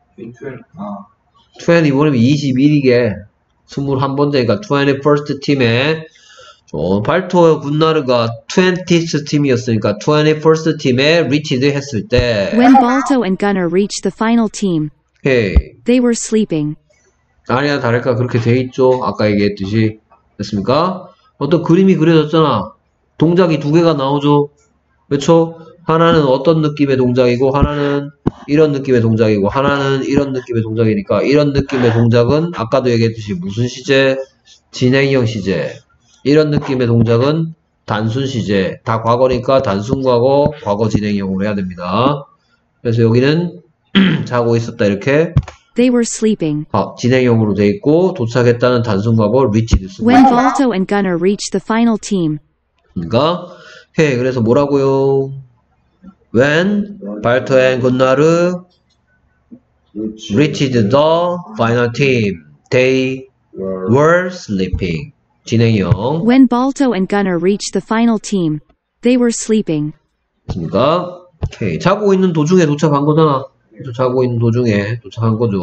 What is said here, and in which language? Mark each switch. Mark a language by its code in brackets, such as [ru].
[ko] 21이면 21이게 21번째니까 21st 팀에 발토 군나르가 20th 팀이었으니까 21st 팀에 리치드 했을 때 [en] When Balto and Gunner reached the final team hey. They were sleeping [ko] 아니야 다를까 그렇게 돼있죠 아까 얘기했듯이 됐습니까? 어떤 그림이 그려졌잖아 동작이 두 개가 나오죠 그쵸? 하나는 어떤 느낌의 동작이고 하나는 이런 느낌의 동작이고 하나는 이런 느낌의 동작이니까 이런 느낌의 동작은 아까도 얘기했듯이 무슨 시제? 진행형 시제 이런 느낌의 동작은 단순 시제 다 과거니까 단순 과거 과거 진행형으로 해야 됩니다 그래서 여기는 자고 있었다 이렇게 [en] They were sleeping [ko] 아, 진행형으로 돼 있고 도착했다는 단순 과거 reached [en] When Balto and Gunner reached the final team [ko] 그러니까 hey, 그래서 뭐라고요? [en] When Balto and Gunnar reached the final team, they were sleeping. [ko] 진행형. [en] When Balto and Gunnar reached the final team, they were sleeping. [ko] 됐습니까? 오케이. 자고 있는 도중에 도착한 거잖아. 자고 있는 도중에 도착한 거죠.